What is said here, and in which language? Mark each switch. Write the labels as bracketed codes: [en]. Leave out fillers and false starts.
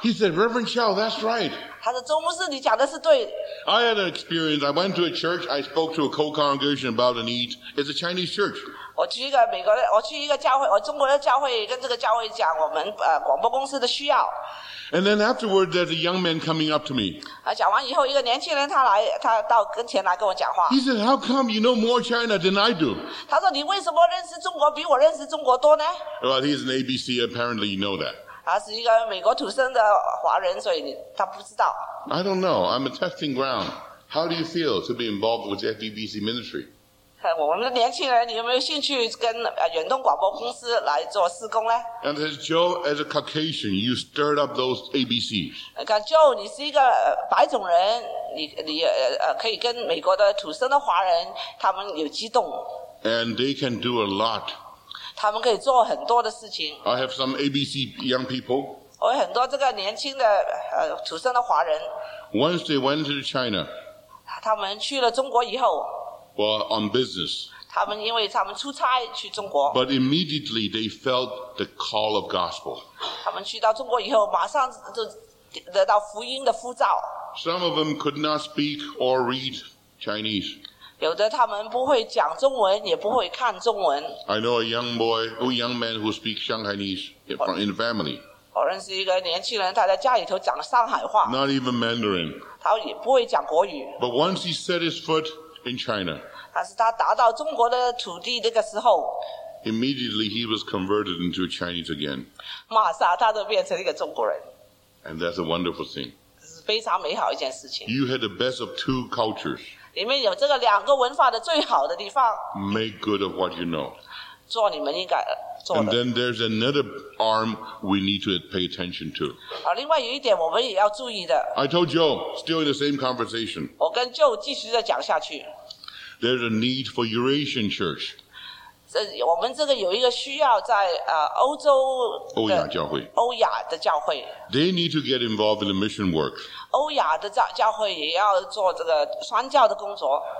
[en] He said, "Reverend Chow, that's right." [zh] 他说，周牧师，你讲的是对。 [en] I had an experience. I went to a church. I spoke to a co-congregation about a need. It's a Chinese church. [zh] 我去一个美国的，我去一个教会，我中国的教会跟这个教会讲我们广播公司的需要。 [en] And then afterward, there's a young man coming up to me. [zh] 啊，讲完以后，一个年轻人他到跟前来跟我讲话。 [en] He said, "How come you know more China than I do?" [zh] 他说，你为什么认识中国比我认识中国多呢 [en] ？Well, he's an ABC. Apparently, you know that. [zh] 他是一个美国土生的华人，所以他不知道。 [en] I don't know. I'm a testing ground. How do you feel to be involved with FBC ministry? [zh] 我们的年轻人，你有没有兴趣跟远东广播公司来做事工呢 [en] ？And as Joe, as a Caucasian, you stirred up those ABCs. [zh] 看 Joe， 你是一个白种人，你可以跟美国的土生的华人，他们有激动。 [en] And they can do a lot. [zh] 他们可以做很多的事情。 [en] I have some ABC young people. [zh] 我有很多这个年轻的土生的华人。 [en] Once they went to China. [zh] 他们去了中国以后。 [en] Well, on business. [zh] 他们因为他们出差去中国。 [en] But immediately they felt the call of gospel. [zh] 他们去到中国以后，马上就得到福音的呼召。 [en] Some of them could not speak or read Chinese. [zh] 有的他们不会讲中文，也不会看中文。 [en] I know a young boy, a young man who speaks Shanghainese in the family. [zh] 我认识一个年轻人，他在家里头讲上海话。 [en] Not even Mandarin. [zh] 他也不会讲国语。 [en] But once he set his foot. In China. [zh] 但是他达到中国的土地那个时候 [en] Immediately he was converted into a Chinese again. [zh] 马上他就变成一个中国人 [en] And that's a wonderful thing. [zh] 这是非常美好一件事情 [en] You had the best of two cultures. [zh] 你们有这个两个文化的最好的地方 [en] Make good of what you know. [zh] 做你们应该做的 [en] And then there's another arm we need to pay attention to. [zh] 好，另外有一点我们也要注意的 [en] I told Joe, still in the same conversation. [zh] 我跟 Joe 继续在讲下去 [en] There's a need for Eurasian church. [zh] 这我们这个有一个需要在欧洲欧亚教会欧亚的教会 [en] They need to get involved in the mission work. [zh] 欧亚的教会也要做这个传教的工作